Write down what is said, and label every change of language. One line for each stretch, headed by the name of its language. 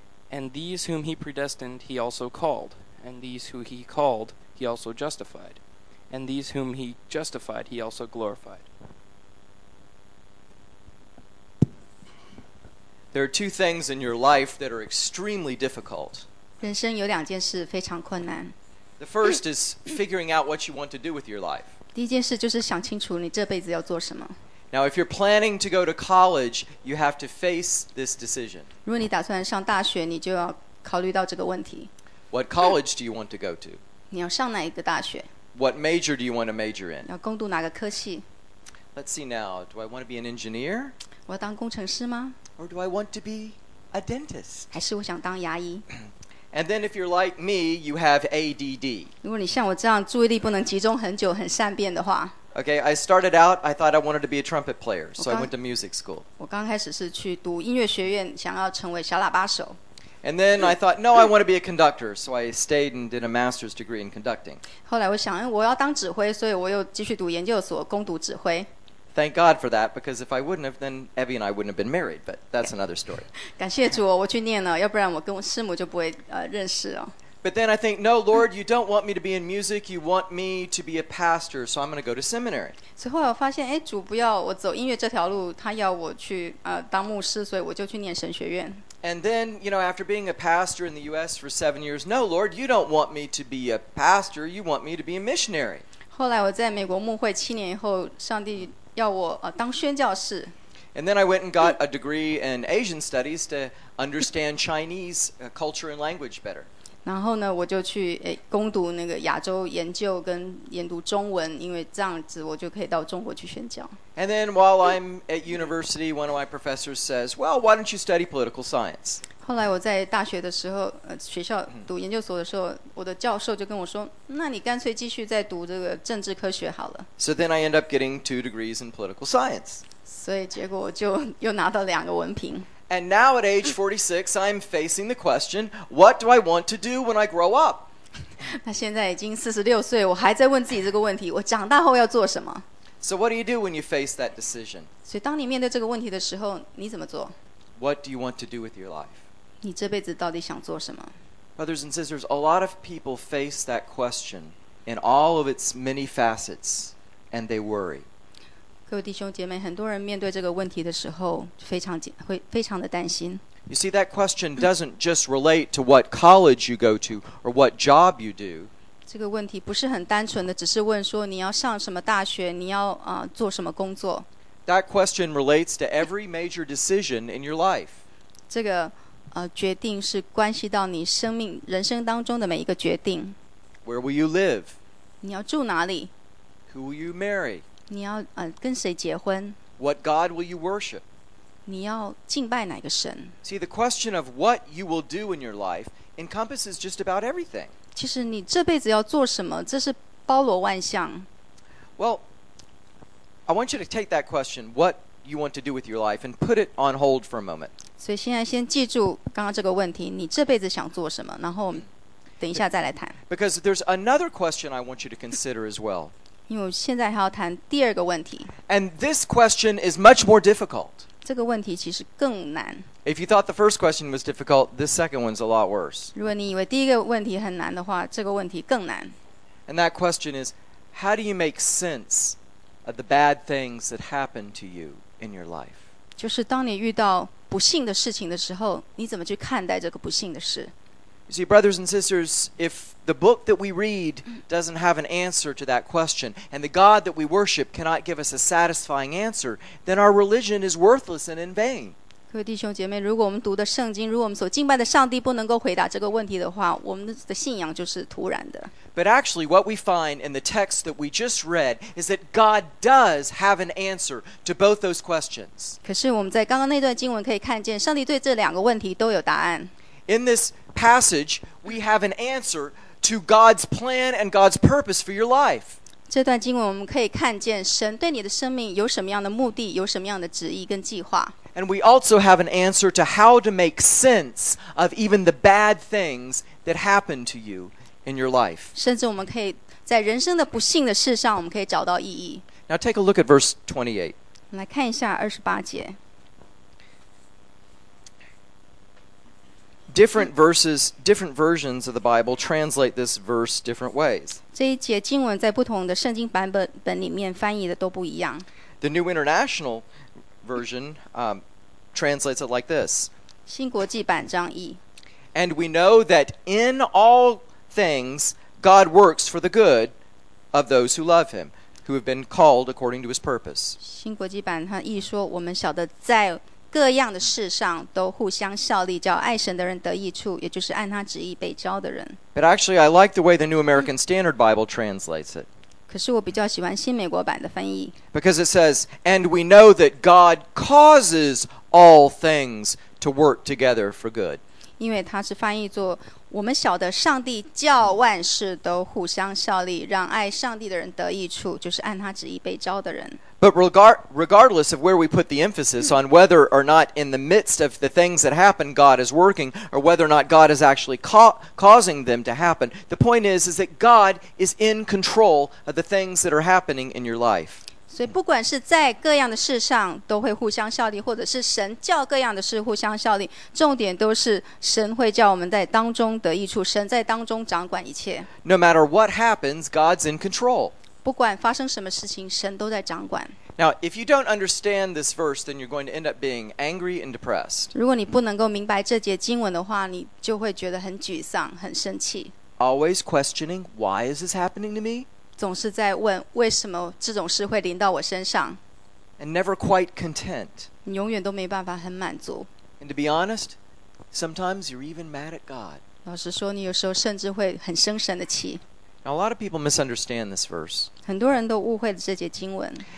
English: And these whom he predestined, he also called. And these who he called, he also justified. And these whom he justified, he also glorified. There are two things in your life that are extremely difficult.
Chinese: 人生有两件事非常困难。
English: The first is figuring out what you want to do with your life.
Chinese: 第一件事就是想清楚你这辈子要做什么。
English: Now, if you're planning to go to college, you have to face this decision.
Chinese: 如果你打算上大学，你就要考虑到这个问题。
English: What college do you want to go to?
Chinese: 你要上哪一个大学？
English: What major do you want to major in?
Chinese: 要攻读哪个科系？
English: Let's see now. Do I want to be an engineer?
Chinese: 我要当工程师吗？
English: Or do I want to be a dentist?
Chinese: 还是我想当牙医。
English: And then if you're like me, you have ADD.
Chinese: 如果你像我这样注意力不能集中很久很善变的话。
English: Okay, I started out, I thought I wanted to be a trumpet player, so I went to music school.
Chinese: 我刚开始是去读音乐学院，想要成为小喇叭手。
English: And then I thought, no, I want to be a conductor, so I stayed and did a master's degree in conducting.
Chinese: 后来我想，我要当指挥，所以我又继续读研究所，攻读指挥。
English: Thank God for that, because if I wouldn't have, then Evie and I wouldn't have been married, but that's another story.
Chinese: 感谢主哦，我去念了，要不然我跟我师母就不会认识哦。
English: But then I think, no, Lord, you don't want me to be in music, you want me to be a pastor, so I'm going to go to seminary.
Chinese: 所以后来我发现，主不要我走音乐这条路，他要我去当牧师，所以我就去念神学院。
English: And then, you know, after being a pastor in the U.S. for 7 years, no, Lord, you don't want me to be a pastor, you want me to be a missionary.
Chinese: 后来我在美国牧会七年以后，上帝要我当宣教士。
English: And then I went and got a degree in Asian studies to understand Chinese culture and language better.
Chinese: 然后呢，我就去攻读那个亚洲研究跟研读中文，因为这样子我就可以到中国去宣教。
English: And then while I'm at university, one of my professors says, well, why don't you study political science?
Chinese: 后来我在大学的时候，学校读研究所的时候，我的教授就跟我说，那你干脆继续再读这个政治科学好了。
English: So then I end up getting 2 degrees in political science.
Chinese: 所以结果我就又拿到两个文凭。
English: And now at age 46, I'm facing the question, what do I want to do when I grow up?
Chinese: 那现在已经46岁，我还在问自己这个问题，我长大后要做什么？
English: So what do you do when you face that decision?
Chinese: 所以当你面对这个问题的时候，你怎么做？
English: What do you want to do with your life?
Chinese: 你这辈子到底想做什么？
English: Brothers and sisters, a lot of people face that question in all of its many facets, and they worry.
Chinese: 各位弟兄姐妹，很多人面对这个问题的时候，非常的担心。
English: You see, that question doesn't just relate to what college you go to or what job you do.
Chinese: 这个问题不是很单纯的，只是问说你要上什么大学，你要做什么工作。
English: That question relates to every major decision in your life.
Chinese: 这个决定是关系到你生命人生当中的每一个决定。
English: Where will you live?
Chinese: 你要住哪里？
English: Who will you marry?
Chinese: 你要跟谁结婚？
English: What God will you worship?
Chinese: 你要敬拜哪个神。
English: See, the question of what you will do in your life encompasses just about everything.
Chinese: 其实你这辈子要做什么，这是包罗万象。
English: Well, I want you to take that question, what you want to do with your life, and put it on hold for a moment.
Chinese: 所以现在先记住刚刚这个问题，你这辈子想做什么，然后等一下再来谈。
English: Because there's another question I want you to consider as well.
Chinese: 因为我现在还要谈第二个问题。
English: And this question is much more difficult.
Chinese: 这个问题其实更难。
English: If you thought the first question was difficult, this second one's a lot worse.
Chinese: 如果你以为第一个问题很难的话，这个问题更难。
English: And that question is, how do you make sense of the bad things that happen to you in your life?
Chinese: 就是当你遇到不幸的事情的时候，你怎么去看待这个不幸的事？
English: You see, brothers and sisters, if the book that we read doesn't have an answer to that question, and the God that we worship cannot give us a satisfying answer, then our religion is worthless and in vain.
Chinese: 各位弟兄姐妹，如果我们读的圣经，如果我们所敬拜的上帝不能够回答这个问题的话，我们的信仰就是徒然的。
English: But actually, what we find in the text that we just read is that God does have an answer to both those questions.
Chinese: 可是我们在刚刚那段经文可以看见，上帝对这两个问题都有答案。
English: In this passage, we have an answer to God's plan and God's purpose for your life.
Chinese: 这段经文我们可以看见神对你的生命有什么样的目的，有什么样的旨意跟计划。
English: And we also have an answer to how to make sense of even the bad things that happen to you in your life.
Chinese: 甚至我们可以在人生的不幸的事上，我们可以找到意义。
English: Now take a look at verse 28.
Chinese: 来看一下二十八节。
English: Different verses, different versions of the Bible translate this verse different ways.
Chinese: 这一节经文在不同的圣经版本里面翻译的都不一样。
English: The New International Version translates it like this.
Chinese: 新国际版张译。
English: And we know that in all things God works for the good of those who love Him, who have been called according to His purpose.
Chinese: 新国际版他译说，我们晓得在各样的事上都互相效力，叫爱神的人得益处，也就是按他旨意被召的人。
English: But actually, I like the way the New American Standard Bible translates it.
Chinese: 可是我比较喜欢新美国版的翻译。
English: Because it says, "And we know that God causes all things to work together for good."
Chinese: 因为它是翻译作，我们晓得上帝叫万事都互相效力，让爱上帝的人得益处，就是按他旨意被召的人。
English: But regardless of where we put the emphasis on whether or not in the midst of the things that happen, God is working, or whether or not God is actually causing them to happen, the point is that God is in control of the things that are happening in your life.
Chinese: 所以不管是在各样的事上都会互相效力，或者是神叫各样的事互相效力，重点都是神会叫我们在当中得益处，神在当中掌管一切。
English: No matter what happens, God's in control.
Chinese: 不管发生什么事情，神都在掌管。
English: Now, if you don't understand this verse, then you're going to end up being angry and depressed.
Chinese: 如果你不能够明白这节经文的话，你就会觉得很沮丧，很生气。
English: Always questioning, why is this happening to me?
Chinese: 总是在问为什么这种事会临到我身上。
English: And never quite content.
Chinese: 你永远都没办法很满足。
English: And to be honest, sometimes you're even mad at God.
Chinese: 老实说，你有时候甚至会很生神的气。
English: A lot of people misunderstand this verse.
Chinese: 很多人都误会了这节经文。